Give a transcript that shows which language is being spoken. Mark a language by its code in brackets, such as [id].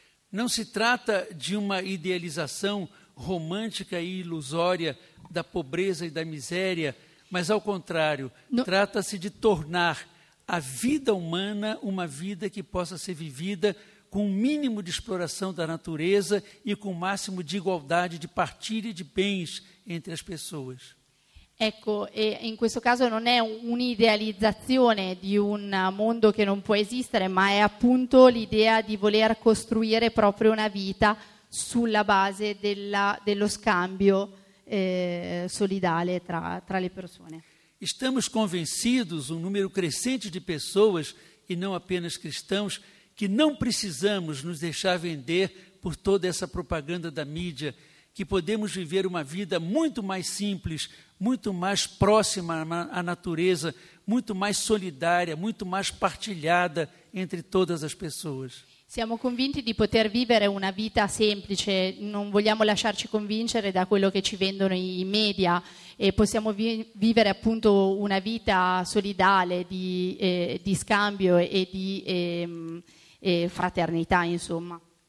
[pt] Não se trata de uma idealização romântica e ilusória da pobreza e da miséria, mas ao contrário, trata-se de tornar a vida humana uma vida que possa ser vivida com o mínimo de exploração da natureza e com o máximo de igualdade de partilha de bens entre as pessoas. [it] Ecco, e in questo caso non è un'idealizzazione di un mondo che non può esistere, ma è appunto l'idea di voler costruire proprio una vita sulla base dello scambio solidale tra le persone. [pt] Estamos convencidos, um número crescente de pessoas, e não apenas cristãos, que não precisamos nos deixar vender por toda essa propaganda da mídia, que podemos viver uma vida muito mais simples, muito mais próxima à natureza, muito mais solidária, muito mais partilhada entre todas as pessoas. [it] Siamo convinti di poter vivere una vita semplice, non vogliamo lasciarci convincere da quello che ci vendono i media e possiamo vivere appunto una vita solidale di scambio e di fraternità, insomma.